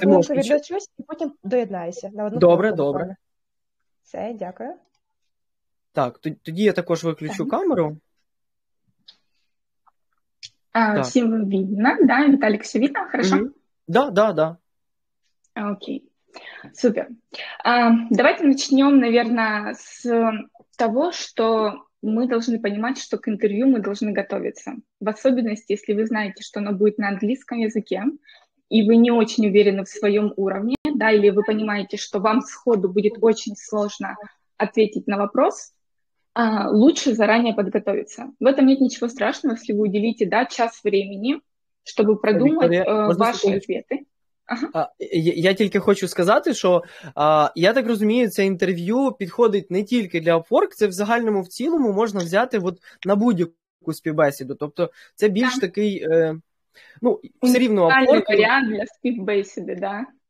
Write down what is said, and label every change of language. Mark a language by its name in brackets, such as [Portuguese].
[Ukrainian] Відключусь, і потім доєднаюся. На одну добре, добре. Все, дякую. Так, тоді я також виключу камеру. Всім видно, да? Віталік, все видно, хорошо? Да. Окей, супер. [Russian] Давайте начнем, наверное, с того, что мы должны понимать, что к интервью мы должны готовиться. В особенности, если вы знаете, что оно будет на английском языке, и вы не очень уверены в своем уровне, да, или вы понимаете, что вам сходу будет очень сложно ответить на вопрос, лучше заранее подготовиться. В этом нет ничего страшного, если вы уделите, да, час времени, чтобы продумать, Виктория, ваши ответы. [Ukrainian] Я тільки хочу сказати, що я так розумію, це інтерв'ю підходить не тільки для Upwork, це в загальному, в цілому можна взяти от на будь-яку співбесіду. Тобто це більш так. Такий, ну, все рівно Upwork. Це варіант для співбесіди, да.